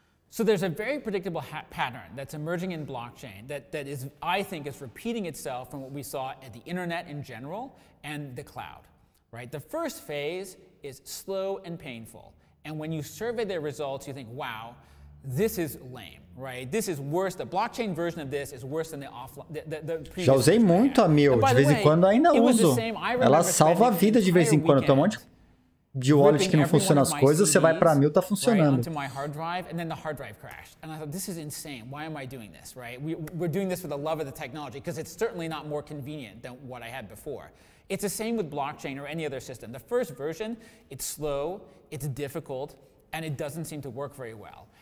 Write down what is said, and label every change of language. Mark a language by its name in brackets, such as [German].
[English] So there's a very predictable pattern that's emerging in blockchain that is, I think, is repeating itself from what we saw at the internet in general and the cloud, right? The first phase is slow and painful. And when you survey their results, you think, wow, this is lame, right? This is worse. The blockchain version of this is worse than the offline. [Portuguese] Já usei muito a Mil. De vez em quando ainda uso. Ela salva a vida de vez em quando. Tem um monte de wallet que não funciona as coisas. Você vai para a Mil, tá funcionando. [English] Right, onto my hard drive, and then the hard drive crashed. And I thought, this is insane. Why am I doing this, right? We're doing this for the love of the technology, because it's certainly not more convenient than what I had before. It's the same with blockchain or any other system. The first version, it's slow, it's difficult, and it doesn't seem to work very well.